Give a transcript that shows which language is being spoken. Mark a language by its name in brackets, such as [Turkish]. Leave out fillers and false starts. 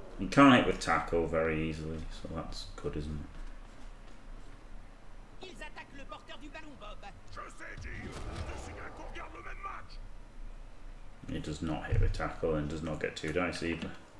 [English] Can't hit with tackle very easily, so that's good, isn't it? [French] Ils attaquent le porteur du ballon, Bob. Je sais, Jill. Je sais qu'on regarde le même match. [English] It does not hit with tackle and does not get two dice either.